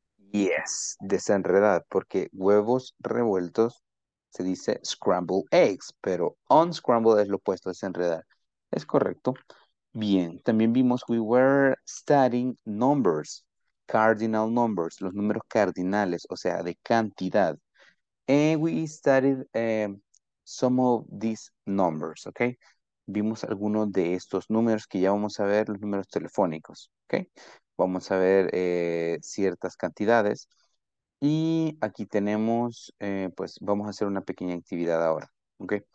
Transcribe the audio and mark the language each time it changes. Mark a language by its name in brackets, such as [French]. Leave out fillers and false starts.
[Spanish] Yes, desenredar, porque huevos revueltos se dice scrambled eggs, pero unscramble es lo opuesto a desenredar. Es correcto. Bien, también vimos, [English] we were studying numbers, cardinal numbers, [Spanish] los números cardinales, o sea, de cantidad. [English] And we studied some of these numbers, ¿ok? [Spanish] Vimos algunos de estos números que ya vamos a ver, los números telefónicos, ¿ok? Vamos a ver ciertas cantidades. Y aquí tenemos, pues vamos a hacer una pequeña actividad ahora, ¿ok?